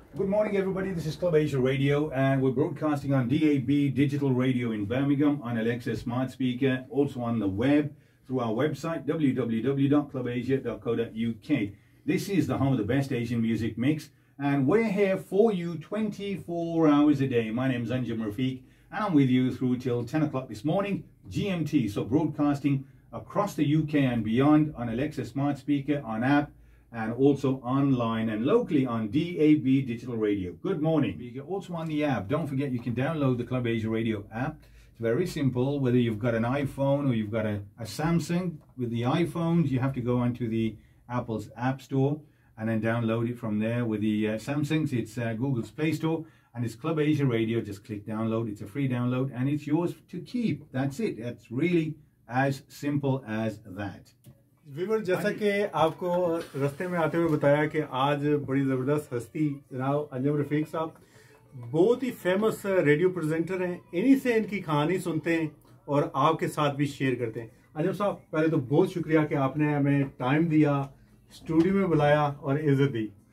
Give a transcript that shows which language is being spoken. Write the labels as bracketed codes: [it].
[en] Good morning everybody, this is Club Asia radio and we broadcasting on DAB digital radio in Birmingham on Alexa smart speaker, also on the web through our website www.clubasia.co.uk। This is the home of the best Asian music mix, and we're here for you 24 hours a day. My name is Anjum Rafiq, and I'm with you through till 10 o'clock this morning, GMT. So broadcasting across the UK and beyond on Alexa Smart Speaker, on app, and also online and locally on DAB Digital Radio. Good morning. Also on the app, don't forget you can download the Club Asia Radio app. It's very simple. Whether you've got an iPhone or you've got a Samsung, with the iPhones, you have to go onto the Apple's App Store and then download it from there. With the Samsungs, it's Google's Play Store, and it's Club Asia Radio. Just click download. It's a free download, and it's yours to keep. That's it. That's really as simple as that. [hi] Viewer जैसा कि आपको रास्ते में आते हुए बताया कि आज बड़ी जबरदस्त हस्ती जनाब अंजम रफीक साहब बहुत ही फेमस रेडियो प्रेजेंटर हैं, इन्हीं से इनकी कहानी सुनते हैं और आपके साथ भी शेयर करते हैं। अंजम साहब, पहले तो बहुत शुक्रिया कि आपने हमें टाइम दिया, स्टूडियो में बुलाया और इज्जत दी।